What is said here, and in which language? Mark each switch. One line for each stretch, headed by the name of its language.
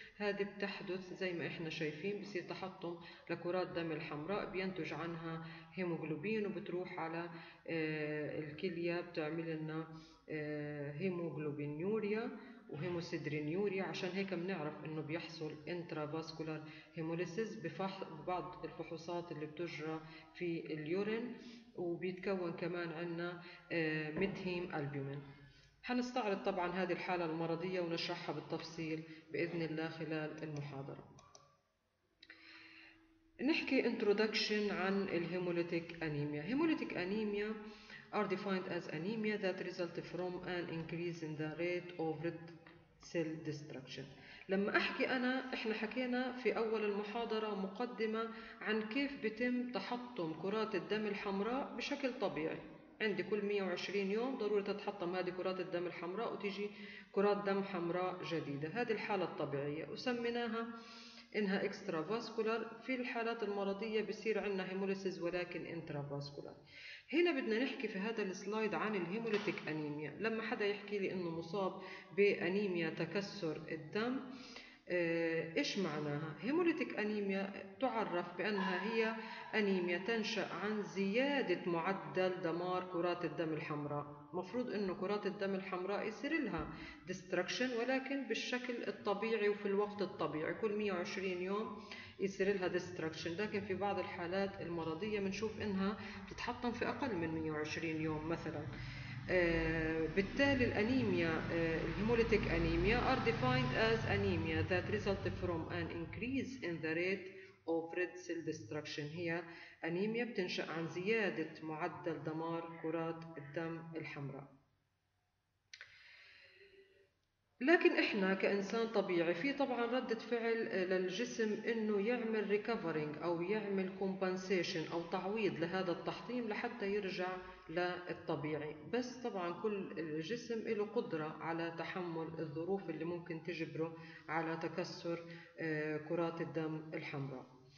Arabic: هذه بتحدث زي ما احنا شايفين، بصير تحطم لكرات دم الحمراء بينتج عنها هيموغلوبين وبتروح على الكلية بتعمل لنا هيموغلوبينيوريا وهيموسيدرينيوريا، عشان هيك بنعرف انه بيحصل انترافاسكولار هيموليسيس ببعض الفحوصات اللي بتجرى في اليورين، وبيتكون كمان عندنا ميتهيم ألبيومين. هنستعرض طبعا هذه الحالة المرضية ونشرحها بالتفصيل بإذن الله خلال المحاضرة. نحكي introduction عن الهيموليتيك أنيميا.
English: Hemolytic anemia are defined as anemia that result from an increase in the rate of red cell destruction.
Arabic: لما أحكي أنا، إحنا حكينا في أول المحاضرة مقدمة عن كيف بتم تحطم كرات الدم الحمراء بشكل طبيعي. عندي كل 120 يوم ضرورة تتحطم هذه كرات الدم الحمراء وتيجي كرات دم حمراء جديدة. هذه الحالة الطبيعية وسميناها إنها extravascular. في الحالات المرضية بيصير عندنا hemolysis ولكن intravascular. هنا بدنا نحكي في هذا السلايد عن الهيموليتيك أنيميا. لما حدا يحكي لي إنه مصاب بأنيميا تكسر الدم، إيش معناها؟ هيموليتك أنيميا تعرف بأنها هي أنيميا تنشأ عن زيادة معدل دمار كرات الدم الحمراء. مفروض إنه كرات الدم الحمراء يصير لها destruction، ولكن بالشكل الطبيعي وفي الوقت الطبيعي كل 120 يوم يصير لها destruction، لكن في بعض الحالات المرضية منشوف إنها تتحطم في أقل من 120 يوم مثلاً. بالتالي الأنيميا الهيموليتك أنيميا
English: are defined as anemia that resulted from an increase in the rate of red cell destruction.
Arabic: هي أنيميا بتنشأ عن زيادة معدل دمار كرات الدم الحمراء. لكن إحنا كإنسان طبيعي في طبعاً ردة فعل للجسم إنه يعمل recovering أو يعمل compensation أو تعويض لهذا التحطيم لحتى يرجع للطبيعي، بس طبعاً كل الجسم له قدرة على تحمل الظروف اللي ممكن تجبره على تكسر كرات الدم الحمراء.